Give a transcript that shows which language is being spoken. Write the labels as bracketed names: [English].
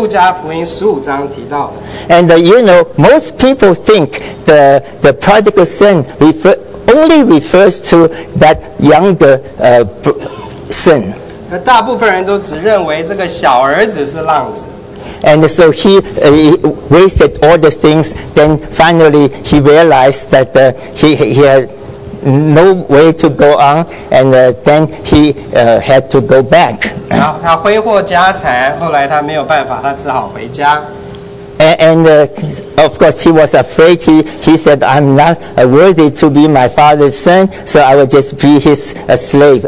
[Chinese] 浪子的故事很有名，这是在路加福音15章提到的。 [English] And you know, most people think the prodigal son only refers to that younger son. [Chinese] 大部分人都只认为这个小儿子是浪子。 [English] And so he wasted all the things. Then finally, he realized that he had no way to go on, and then he had to go back. [Chinese] 他挥霍家财，后来他没有办法，他只好回家。 [English] And of course, he was afraid. He said, "I'm not worthy to be my father's son, so I will just be his slave."